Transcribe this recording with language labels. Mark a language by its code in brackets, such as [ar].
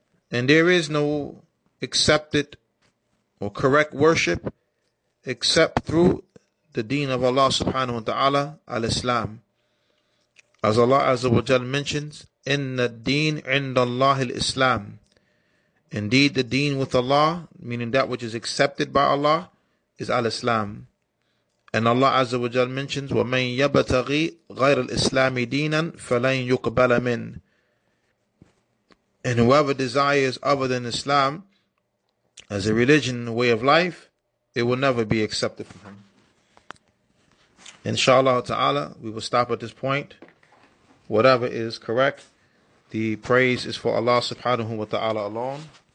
[en] And there is no accepted or correct worship except through the deen of Allah subhanahu wa ta'ala, al-Islam. As Allah azza wa jal mentions, [ar] إِنَّ الدِّينَ عِنْدَ اللَّهِ الْإِسْلَامِ. [en] Indeed, the deen with Allah, meaning that which is accepted by Allah, is al-Islam. And Allah azza wa jal mentions, [ar] وَمَنْ يَبْتَغِي غَيْرَ الْإِسْلَامِ دِينًا فَلَنْ يُقْبَلَ مِنْ. [en] And whoever desires other than Islam as a religion, way of life, it will never be accepted from him. Inshallah ta'ala, we will stop at this point. Whatever is correct, the praise is for Allah subhanahu wa ta'ala alone.